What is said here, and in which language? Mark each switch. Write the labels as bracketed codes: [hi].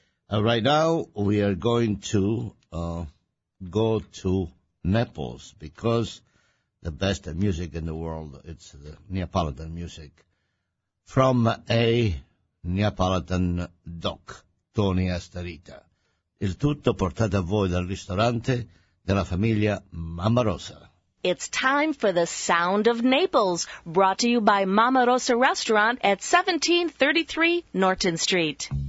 [en] Right now we are going to go to Naples because the best music in the world, it's the Neapolitan music from a Neapolitan doc. Tony Astarita. [it] Il tutto portato a voi dal ristorante della famiglia Mamma Rosa. [en] It's time for the Sound of Naples, brought to you by Mamma Rosa Restaurant at 1733 Norton Street.